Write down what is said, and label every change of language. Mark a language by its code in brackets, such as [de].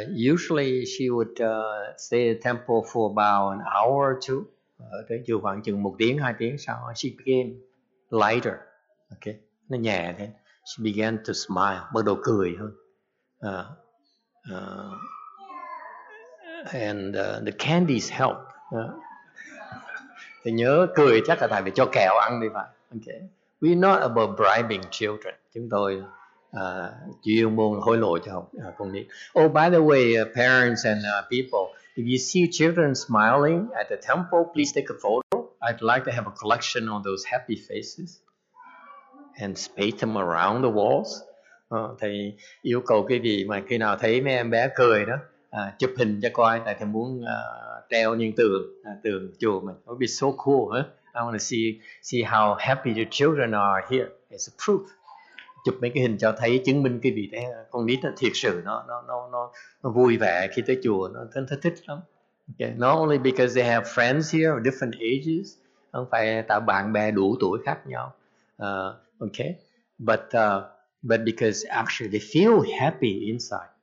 [en] Usually she would stay at the temple for about an hour or two. [vi] tới chưa khoảng chừng một tiếng, hai tiếng sau, [en] she became lighter. [vi] Okay. Nó nhẹ thế. [en] She began to smile, [vi] bắt đầu cười hơn. [en] And the candies helped. [vi] Thì nhớ cười chắc là tại vì cho kẹo ăn đi phải. Okay. [en] We're not about bribing children. [vi] Chúng tôi chuyên môn hối lộ cho con nít. [en] Oh, by the way, parents and people, if you see children smiling at the temple, please take a photo. I'd like to have a collection of those happy faces and space them around the walls. [vi] Thì yêu cầu quý vị mà khi nào thấy mấy em bé cười đó, chụp hình cho coi, tại thì muốn treo những tường tường chùa mình. [en] It would be so cool, huh? I want to see how happy the children are here as a proof. [vi] Chụp mấy cái hình cho thấy, chứng minh cái vị thế con nít nó thiệt sự nó vui vẻ khi tới chùa, nó thích lắm. Okay. [en] Not only because they have friends here of different ages, [vi] không phải tạo bạn bè đủ tuổi khác nhau. [en] Okay. But because actually they feel happy inside.